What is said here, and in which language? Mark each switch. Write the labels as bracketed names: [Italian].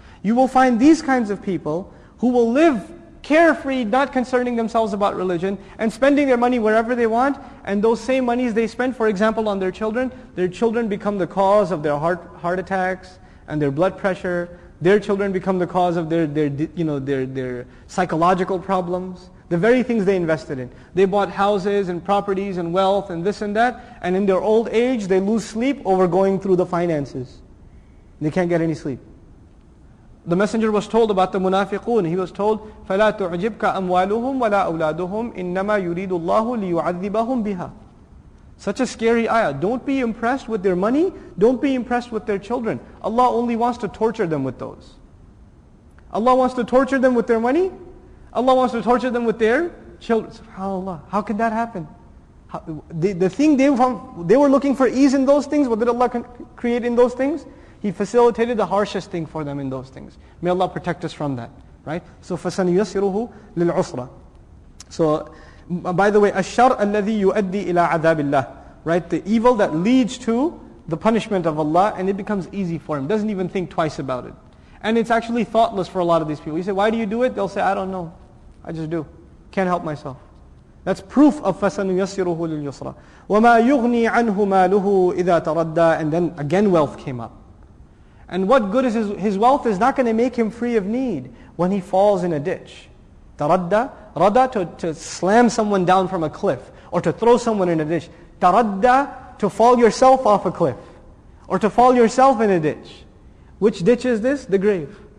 [English] You will find these kinds of people who will live carefree, not concerning themselves about religion, and spending their money wherever they want, and those same monies they spend, for example, on their children become the cause of their heart attacks, and their blood pressure, their children become the cause of their psychological problems, the very things they invested in. They bought houses and properties and wealth and this and that, and in their old age, they lose sleep over going through the finances. They can't get any sleep. The Messenger was told about the munafiqun. He was told, [Arabic] فَلَا تُعْجِبْكَ أَمْوَالُهُمْ وَلَا أَوْلَادُهُمْ إِنَّمَا يُرِيدُ اللَّهُ لِيُعَذِّبَهُمْ بِهَا. [English] Such a scary ayah. Don't be impressed with their money. Don't be impressed with their children. Allah only wants to torture them with those. Allah wants to torture them with their money. Allah wants to torture them with their children. SubhanAllah. How can that happen? The thing they were looking for ease in those things, what did Allah create in those things? He facilitated the harshest thing for them in those things. May Allah protect us from that. Right? [Arabic] So, فَسَنْيَسِرُهُ لِلْعُسْرَ. [English] So, by the way, [Arabic] الشَّرْ الَّذِي يُؤَدِّي إِلَىٰ عَذَابِ اللَّهِ. [English] Right? The evil that leads to the punishment of Allah, and it becomes easy for him. Doesn't even think twice about it. And it's actually thoughtless for a lot of these people. You say, why do you do it? They'll say, I don't know. I just do. Can't help myself. That's proof of [Arabic] فَسَنْيَسِرُهُ لِلْيُسْرَ. وَمَا يُغْنِي عَنْهُ مَالُهُ إِذَا تَرَدَّى. [English] And then again wealth came up. And what good is his wealth is not going to make him free of need when he falls in a ditch. Taradda, radda, to slam someone down from a cliff, or to throw someone in a ditch. Taradda, to fall yourself off a cliff, or to fall yourself in a ditch. Which ditch is this? The grave.